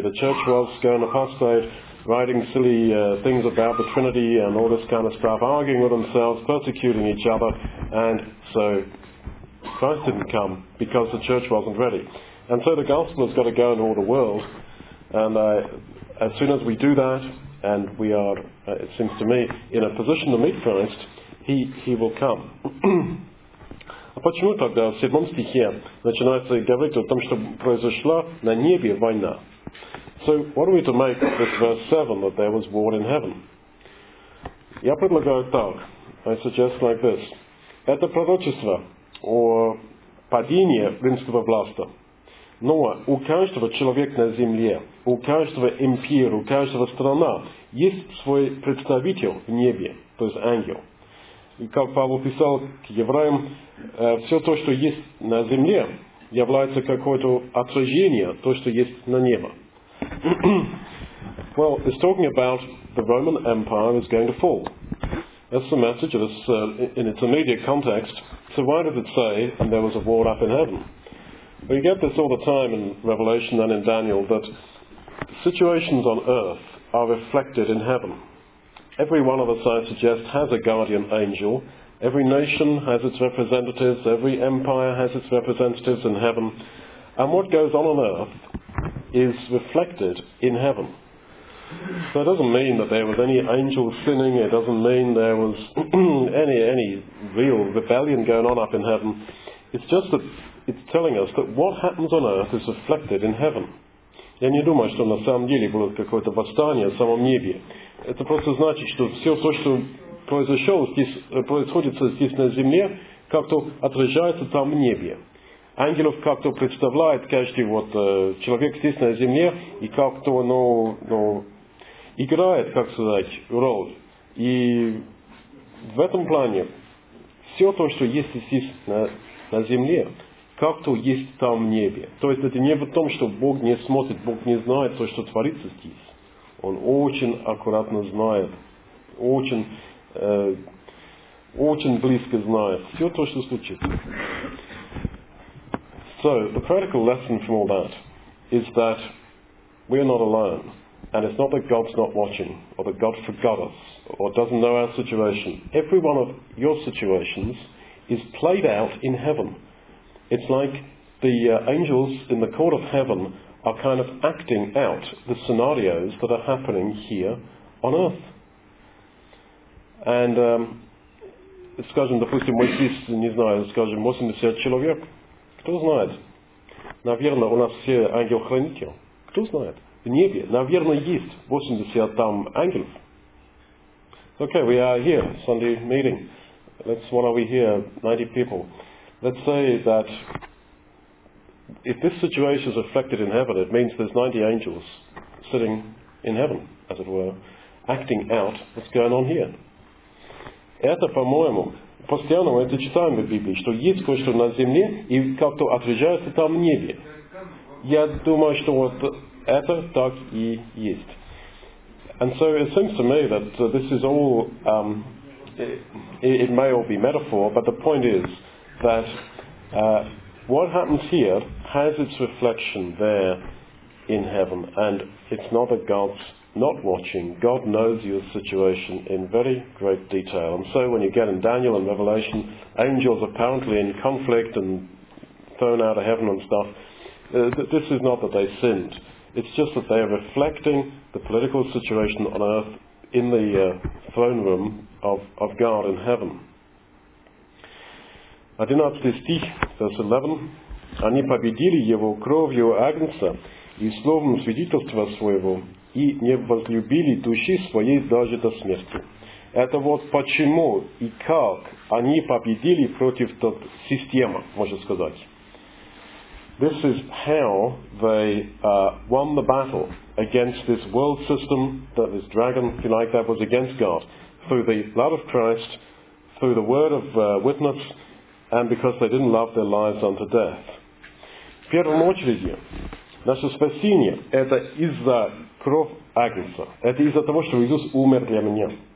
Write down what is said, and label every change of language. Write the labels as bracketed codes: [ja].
[en] The church was going apostate, writing silly things about the Trinity and all this kind of stuff, arguing with themselves, persecuting each other, and so Christ didn't come because the church wasn't ready. And so the gospel has got to go into all the world, and as soon as we do that, and we are, it seems to me, in a position to meet Christ, he will come. [ru] Почему тогда в 7 стихе начинается говорить о том, что произошла на небе война? [en] So what are we to make of this verse 7, that there was war in heaven? [ru] Я предлагаю так. [en] I suggest like this. [ru] Это пророчество о падении римского власти. Но у каждого человека на земле, у каждого империи, у каждого страна есть свой представитель в небе, то есть ангел. И как Павел писал к евреям, все то, что есть на земле, является какое-то отражение то, что есть на небе. [en] Well, it's talking about the Roman Empire is going to fall. That's the message of this, in its immediate context. So why does it say, and there was a war up in heaven? Well, you get this all the time in Revelation and in Daniel, that situations on earth are reflected in heaven. Every one of us, I suggest, has a guardian angel. Every nation has its representatives. Every empire has its representatives in heaven. And what goes on earth is reflected in heaven. So it doesn't mean that there was any angel sinning. It doesn't mean there was any real rebellion going on up in heaven. It's just that it's telling us that what happens on earth is reflected in heaven. [ru] Я не думаю, что на самом деле было какое-то восстание в самом небе. Это просто значит, что все то, что произошло здесь, происходит здесь на земле, как-то отражается там в небе. Ангелов как-то представляет каждый вот человек здесь на земле и как-то ну, играет, как сказать, роль. И в этом плане все то, что есть здесь на земле, как-то есть там в небе. То есть это не в том, что Бог не смотрит, Бог не знает то, что творится здесь. Он очень аккуратно знает, очень близко знает все то, что случится. [en] So, the practical lesson from all that is that we are not alone. And it's not that God's not watching, or that God forgot us, or doesn't know our situation. Every one of your situations is played out in heaven. It's like the angels in the court of heaven are kind of acting out the scenarios that are happening here on earth. [ru] And, скажем, допустим, мы здесь, не знаю, скажем, 80 человек. Кто знает? Наверное, у нас все ангел-хранители. Кто знает? В небе, наверное, есть 80 там ангелов. [en] Okay, we are here, Sunday meeting. What are we here, 90 people? Let's say that if this situation is reflected in heaven, it means there's 90 angels sitting in heaven, as it were, acting out what's going on here. [ru] Это, по-моему, постоянно мы это читаем в Библии, что есть кое-что на земле и как-то отражается там в небе. Я думаю, что вот это так и есть. [en] And so it seems to me that this is all, it may all be metaphor, but the point is that what happens here has its reflection there in heaven, and it's not that God's not watching. God knows your situation in very great detail. And so when you get in Daniel and Revelation, angels apparently in conflict and thrown out of heaven and stuff, this is not that they sinned. It's just that they are reflecting the political situation on earth in the throne room of God in heaven. [ru] 11 стих, [en] verse 11. [ru] Они победили его кровью Агнца и словом свидетельства своего, и не возлюбили души своей даже до смерти. Это вот почему и как они победили против той системы, можно сказать. [en] This is how they won the battle against this world system, that this dragon, if you like, that was against God, through the blood of Christ, through the word of witness, and because they didn't love their lives unto death. [ru] В первом очереди, наше спасение – это из-за кров Агнца. Это из-за того, что Иисус умер для меня.